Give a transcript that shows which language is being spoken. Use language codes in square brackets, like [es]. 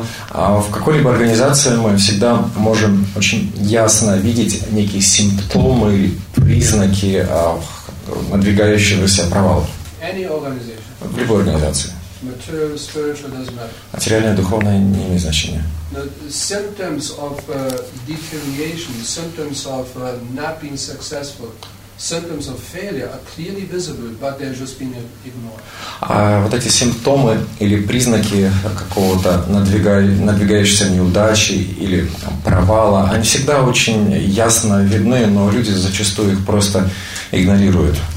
[ru] В какой-либо организации мы всегда можем очень ясно видеть некие симптомы или признаки надвигающегося провала. [en] Any organization. [ru] В любой организации. [en] Material, spiritual, doesn't matter. [ru] Материальное, духовное не имеет значения. [en] The symptoms of deterioration, symptoms of not being successful, symptoms of failure are clearly visible, but they're just being ignored. [ru] А вот эти симптомы или признаки какого-то надвигающейся неудачи или провала, они всегда очень ясно видны, но люди зачастую их просто игнорируют.